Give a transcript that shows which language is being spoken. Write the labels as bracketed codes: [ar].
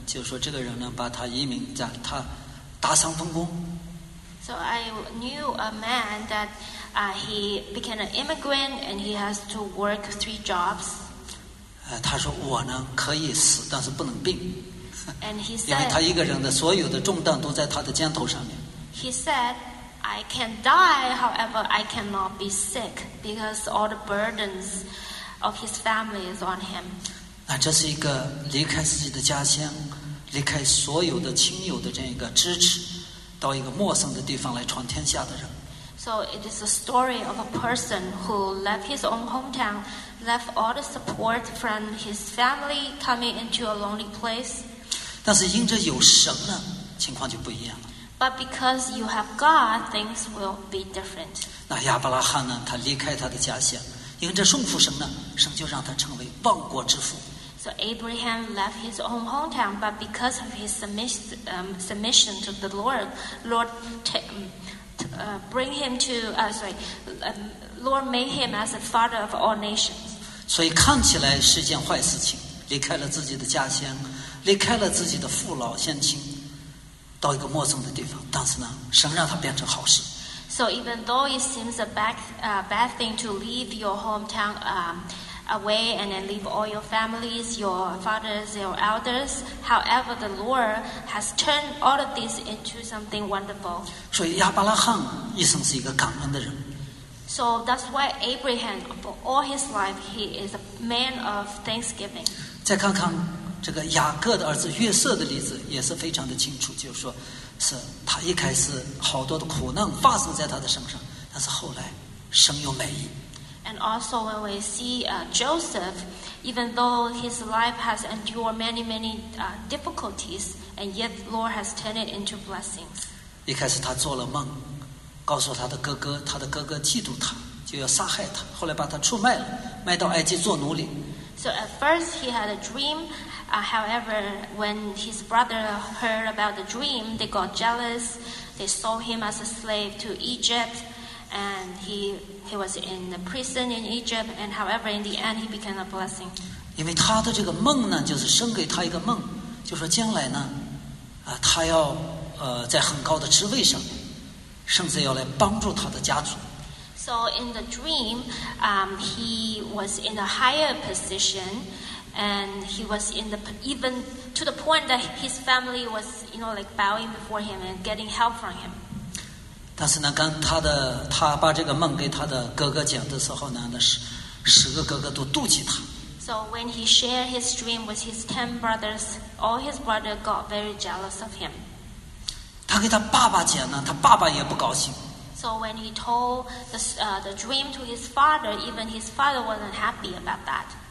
[zh] 就是说这个人呢把他移民在他打丧奉公。 [en] So I knew a man that he became an immigrant and he has to work 3 jobs. [zh] 他说我呢可以死但是不能病。 [en] And he said, [zh] 因为他一个人的所有的重担都在他的肩头上面。 [en] He said, I can die, however, I cannot be sick because all the burdens of his family is on him. [zh] 那这是一个离开自己的家乡，离开所有的亲友的这样一个支持，到一个陌生的地方来闯天下的人。 [en] So it is a story of a person who left his own hometown, left all the support from his family, coming into a lonely place. [zh] 但是因着有神呢，情况就不一样了。 [en] But because you have God, things will be different. [zh] 那亚伯拉罕呢，他离开他的家乡。因着顺服神呢，神就让他成为万国之父。 [en] So Abraham left his own hometown, but because of his submission to the Lord, Lord made him as a father of all nations. [zh] 所以看起来是一件坏事情，离开了自己的家乡，离开了自己的父老乡亲，到一个陌生的地方。但是呢，神让他变成好事。 [en] So even though it seems a bad thing to leave your hometown away and then leave all your families, your fathers, your elders, however, the Lord has turned all of this into something wonderful. [zh] 所以亚伯拉罕一生是一个感恩的人。 [en] So that's why Abraham, for all his life, he is a man of thanksgiving. [zh] 再看看这个雅各的儿子约瑟的例子也是非常的清楚，就是说。是他一开始好多的苦难发生在他的身上，但是后来神有美意。 [en] And also when we see Joseph, even though his life has endured many difficulties, and yet Lord has turned it into blessings. [zh] 一开始他做了梦，告诉他的哥哥嫉妒他，就要杀害他，后来把他出卖了，卖到埃及做奴隶。 [en] So at first he had a dream. However, when his brother heard about the dream, they got jealous. They sold him as a slave to Egypt, and he was in the prison in Egypt. And however, in the end, he became a blessing. [zh] 因为他的这个梦呢，就是生给他一个梦，就说将来呢，他要在很高的职位上，甚至要来帮助他的家族。 [en] So in the dream, he was in a higher position. And he was in the, even to the point that his family was, you know, like bowing before him and getting help from him. [zh] 但是呢，当他把这个梦给他的哥哥讲的时候呢，那十个哥哥都妒忌他。 [en] So when he shared his dream with his 10 brothers, all his brothers got very jealous of him. [zh] 他给他爸爸讲呢，他爸爸也不高兴。 [en] So when he told the dream to his father, even his father wasn't happy about that.